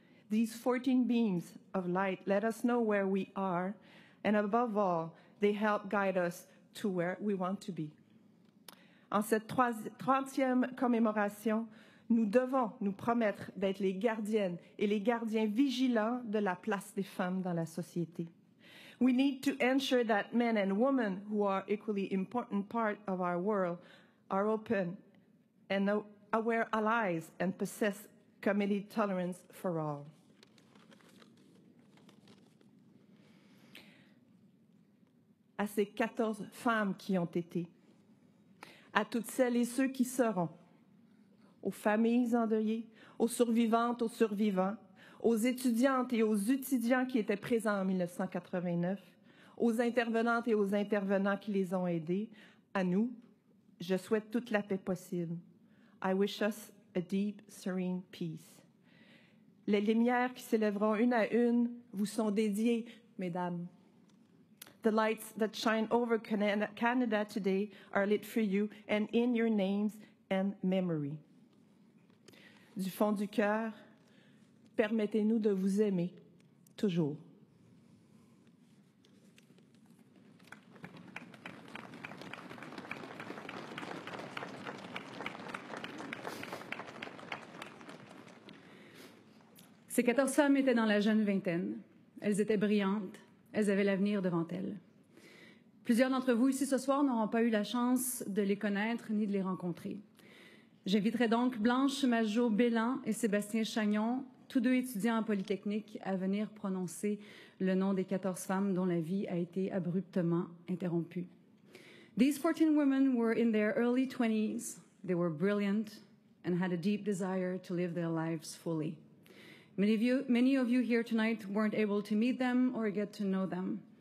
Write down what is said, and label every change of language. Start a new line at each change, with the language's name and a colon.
English: These 14 beams of light let us know where we are, and above all, they help guide us to where we want to be.
French: En cette 30e commémoration, nous devons nous promettre d'être les gardiennes et les gardiens vigilants de la place des femmes dans la société.
English: We need to ensure that men and women, who are equally important part of our world, are open and aware allies and possess committed tolerance for all.
French: À ces 14 femmes qui ont été, à toutes celles et ceux qui seront, aux familles endeuillées, aux survivantes, aux survivants, aux étudiantes et aux étudiants qui étaient présents en 1989, aux intervenantes et aux intervenants qui les ont aidés, à nous, je souhaite toute la paix possible.
English: I wish us a deep, serene peace.
French: Les lumières qui s'élèveront une à une vous sont dédiées, mesdames.
English: The lights that shine over Canada today are lit for you and in your names and memory.
French: Du fond du cœur, permettez-nous de vous aimer toujours. Ces 14 femmes étaient dans la jeune vingtaine. Elles étaient brillantes. Elles avaient l'avenir devant elles. Plusieurs d'entre vous ici ce soir n'auront pas eu la chance de les connaître ni de les rencontrer. J'inviterai donc Blanche Majot-Bélan et Sébastien Chagnon, tous deux étudiants en Polytechnique, à venir prononcer le nom des 14 femmes dont la vie a été abruptement interrompue.
English: These 14 women were in their early 20s. They were brilliant and had a deep desire to live their lives fully. Many of you here tonight weren't able to meet them or get to know them.